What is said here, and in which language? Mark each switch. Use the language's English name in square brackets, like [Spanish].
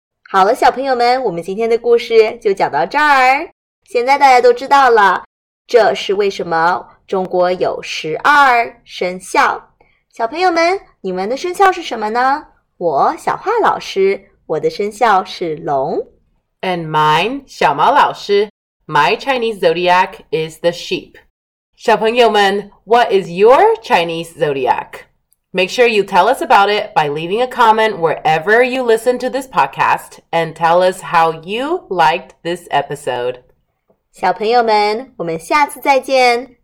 [Chinese] 好了，小朋友们，我们今天的故事就讲到这儿。现在大家都知道了，这是为什么中国有12生肖。小朋友们，你们的生肖是什么呢？我小华老师，我的生肖是龙。 [English] And mine, 小毛老师， my Chinese zodiac is the sheep. [Chinese] 小朋友们， [English] what is your Chinese zodiac? Make sure you tell us about it by leaving a comment wherever you listen to this podcast and tell us how you liked this episode. [Chinese] 小朋友们，我们下次再见。